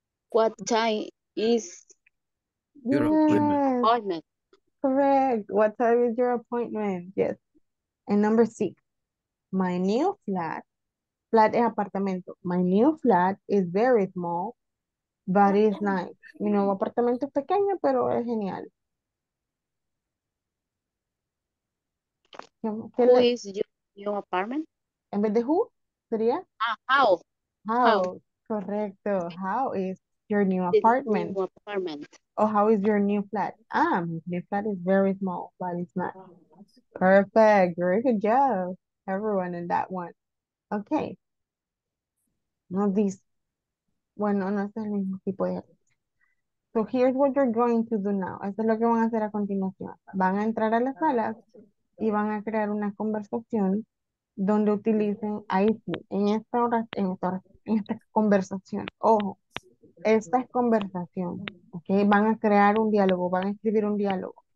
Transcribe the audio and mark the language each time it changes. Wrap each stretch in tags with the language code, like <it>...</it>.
<en>What time is your appointment? Correct. What time is your appointment? Yes. And number six. My new flat.</en> <es>Flat es apartamento.</es> <en>My new flat is very small, but it's nice.</en> <es>Mi nuevo apartamento es pequeño, pero es genial.</es> <en>¿Qué who is your new apartment?</en> <es>En vez de who, sería?</es> <en>How. How. Correcto. How is your new apartment? New apartment. Oh, how is your new flat? Ah, my flat is very small, but it's not. Perfect. Very good job, everyone in that one. Okay. Now this.</en> <es>Bueno, no es el mismo tipo de.</es> <en>So here's what you're going to do now.</en> <es>Esto es lo que van a hacer a continuación. Van a entrar a las salas y van a crear una conversación donde utilicen IT en esta hora, en esta conversación. Ojo, esta es conversación. Okay, van a crear un diálogo, van a escribir un diálogo.</es>